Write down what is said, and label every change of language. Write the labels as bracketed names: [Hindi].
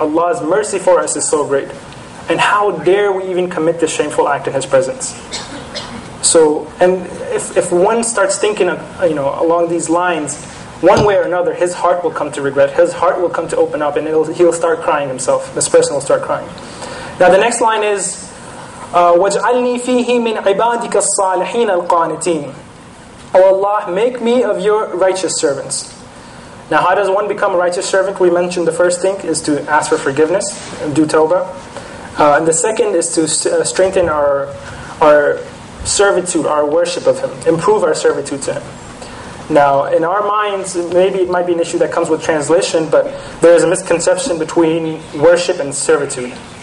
[English] Allah's mercy for us is so great. And how dare we even commit this shameful act in His presence? So, and if one starts thinking of, you know, along these lines, one way or another, his heart will come to regret. His heart will come to open up, and he'll start crying himself. This person will start crying. Now, the next line is, [Arabic] وَاجْعَلْنِي فِيهِ مِنْ عِبَادِكَ الصَّالِحِينَ الْقَانِتِينَ. [English] O Allah, make me of your righteous servants. Now, how does one become a righteous servant? We mentioned the first thing is to ask for forgiveness and do tawbah. And the second is to strengthen our servitude, our worship of Him. Improve our servitude to Him. Now, in our minds, maybe it might be an issue that comes with translation, but there is a misconception between worship and servitude.